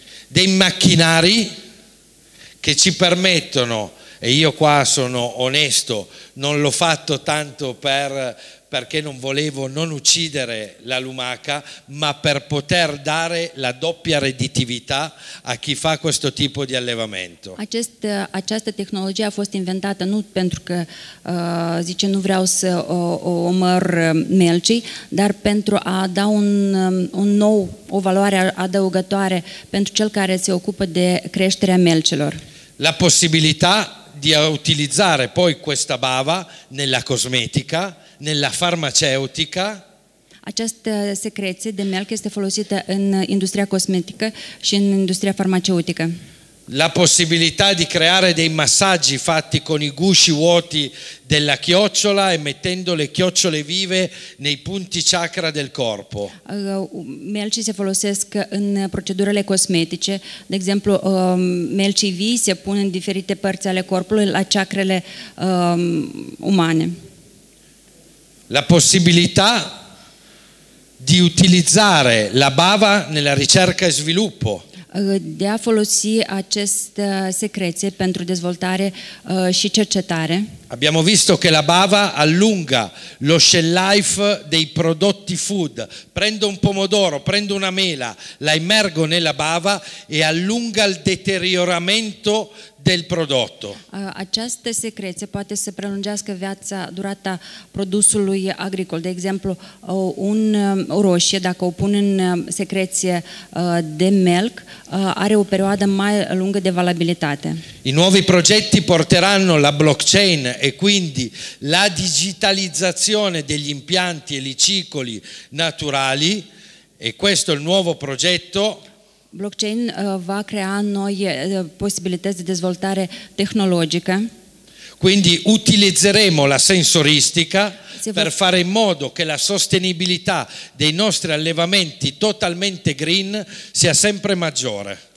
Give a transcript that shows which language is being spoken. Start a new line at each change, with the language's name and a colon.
Italian: Dei macchinari che ci permettono, e io qua sono onesto, non l'ho fatto tanto perché non volevo non uccidere la lumaca, ma per poter dare la doppia redditività a chi fa questo tipo di allevamento.
Romanian: Această tehnologie a fost inventată nu pentru că zice nu vreau să omor melcii, dar pentru a da un nou, o valoare adăugătoare pentru cel care se ocupă de creșterea melcilor.
Italian: La posibilità di utilizzare poi questa bava nella cosmetica, nella farmaceutica.
Romanian: Această secreție de melc este folosită în industria cosmetică și în industria farmaceutică.
Italian: La possibilità di creare dei massaggi fatti con i gusci vuoti della chiocciola e mettendo le chiocciole vive nei punti chakra del corpo.
Romanian: Melci se folosesc în procedurile cosmetice, de exemplu, melcii vii se pun în diferite părți ale corpului, la chakrele umane.
Italian: La possibilità di utilizzare la bava nella ricerca e sviluppo.
Romanian: De a folosi această secreție pentru dezvoltare și cercetare.
Italian: Abbiamo visto che la bava allunga lo shelf life dei prodotti food. Prendo un pomodoro, prendo una mela, la immergo nella bava e allunga il deterioramento del prodotto.
Romanian: Această secreție poate să prelungească viața, durata produsului agricol. De exemplu, o roșie, dacă o pun în secreție de melc, are o perioadă mai lungă de valabilitate.
Italian: I nuovi progetti porteranno la blockchain e quindi la digitalizzazione degli impianti e licicoli naturali, e questo è il nuovo progetto.
Romanian: Blockchain va crea noi posibilități de dezvoltare tehnologică.
Italian: Quindi utilizzeremo la sensoristica per fare in modo che la sostenibilità dei nostri allevamenti totalmente green sia sempre maggiore.